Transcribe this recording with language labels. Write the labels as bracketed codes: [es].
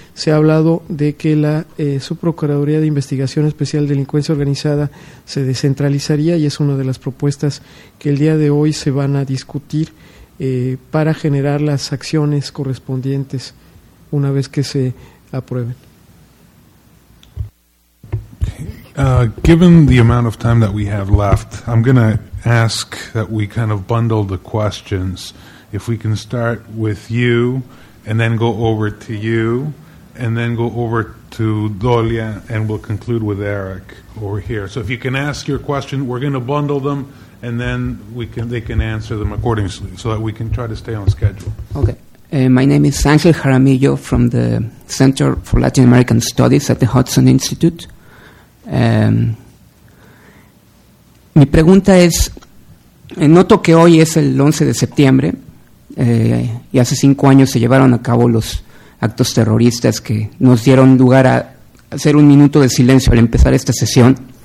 [es] Se ha hablado de que la Subprocuraduría de Investigación Especial de Delincuencia Organizada se descentralizaría, y es una de las propuestas que el día de hoy se van a discutir para generar las acciones correspondientes una vez que se aprueben. [en] Given the amount of time that we have left, I'm going to ask that we kind of bundle the questions. If we can start with you, and then go over to you, and then go over to Dolia, and we'll conclude with Eric over here. So if you can ask your question, we're going to bundle them, and then they can answer them accordingly, so that we can try to stay on schedule. Okay. My name is Angel Jaramillo from the Center for Latin American Studies at the Hudson Institute. [es] Mi pregunta es, noto que hoy es el 11 de septiembre y hace 5 años se llevaron a cabo los actos terroristas que nos dieron lugar a hacer un minuto de silencio al empezar esta sesión,